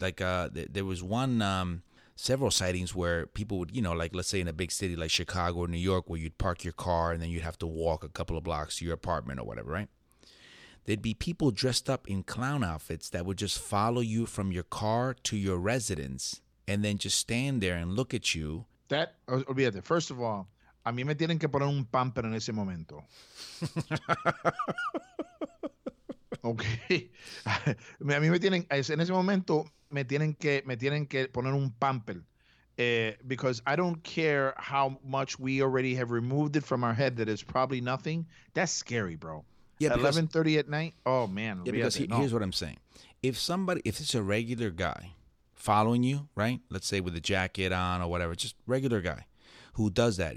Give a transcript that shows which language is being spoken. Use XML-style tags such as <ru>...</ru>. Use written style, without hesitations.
<en>Like there was one, several sightings where people would, you know, like let's say in a big city like Chicago or New York, where you'd park your car and then you'd have to walk a couple of blocks to your apartment or whatever, right? There'd be people dressed up in clown outfits that would just follow you from your car to your residence and then just stand there and look at you. That,</en> <es>olvídate.</es> <en>First of all,</en> <es>a mí me tienen que poner un pamper en ese momento. Okay. A mí me tienen, en ese momento, me tienen que poner un pamper.</es> <en>Because I don't care how much we already have removed it from our head that it's probably nothing. That's scary, bro. Yeah, 11:30 at night? Oh, man. Yeah, here's what I'm saying. If it's a regular guy following you, right? Let's say with a jacket on or whatever, just regular guy who does that.</en>